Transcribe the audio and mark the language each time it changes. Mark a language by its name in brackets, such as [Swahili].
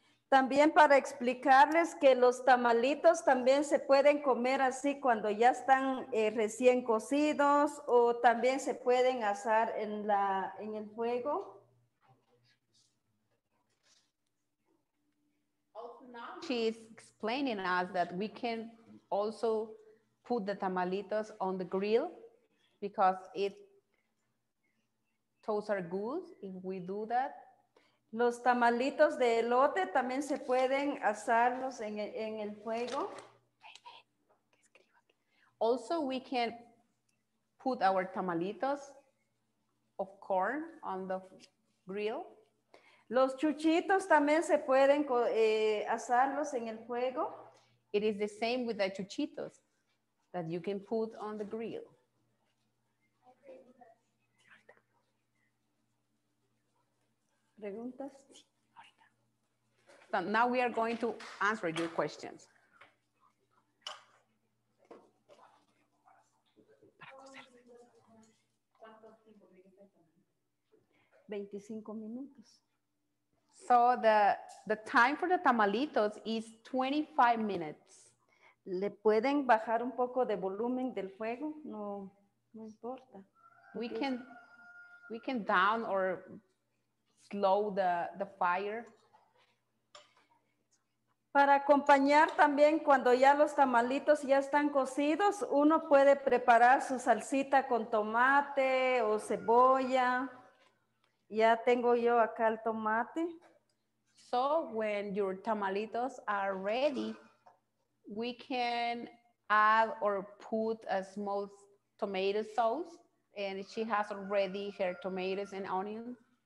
[Spanish] También para explicarles que los tamalitos también se pueden comer así cuando ya están recién cocidos o también se pueden asar en el fuego. [English] She's explaining us that we can also put the tamalitos on the grill because those are good if we do that. [Spanish] Los tamalitos de elote también se pueden asarlos en el fuego. [English] Also, we can put our tamalitos of corn on the grill. [Spanish] Los chuchitos también se pueden asarlos en el fuego. [English] It is the same with the chuchitos that you can put on the grill. [Spanish] Preguntas. [English] So now we are going to answer your questions. [Spanish] Para coser. 25 minutos. [English] So the time for the tamalitos is 25 minutes. [Spanish] ¿Le pueden bajar un poco de volumen del fuego? No, no importa. [English] We can down or slow the fire. [Spanish] Para acompañar también cuando ya los tamalitos ya están cocidos, uno puede preparar su salsita con tomate o cebolla. Ya tengo yo acá el tomate. [English] So when your tamalitos are ready, we can add or put a small tomato sauce, and she has already her tomatoes and onions.